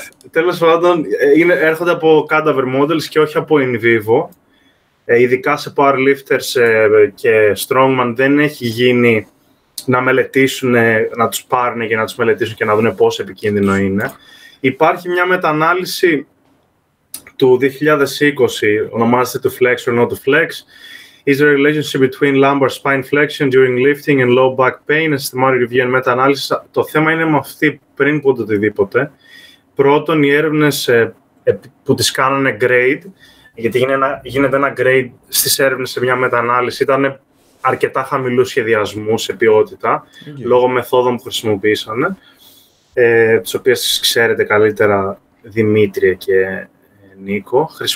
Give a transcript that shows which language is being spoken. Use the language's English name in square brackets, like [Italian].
[Greek] Τέλος πάντων, έρχονται από cadaver models και όχι από in vivo. Ειδικά σε powerlifters και strongman δεν έχει γίνει να μελετήσουν, να τους πάρουν και να τους μελετήσουν και να δουν πόσο επικίνδυνο είναι. Υπάρχει μια μετανάλυση του 2020, ονομάζεται [English] to flex or not to flex. Is there a relationship between lumbar spine flexion during lifting and low back pain? A systematic review and meta-analysis. [Greek] Το θέμα είναι με αυτή πριν από το οτιδήποτε. Πρώτον, οι έρευνες που τις κάνανε grade, γιατί γίνεται ένα grade στις έρευνες σε μια μετανάλυση, ήταν αρκετά χαμηλού σχεδιασμού σε ποιότητα, λόγω μεθόδων που χρησιμοποίησανε, τις οποίες ξέρετε καλύτερα, Δημήτρια και Νίκο,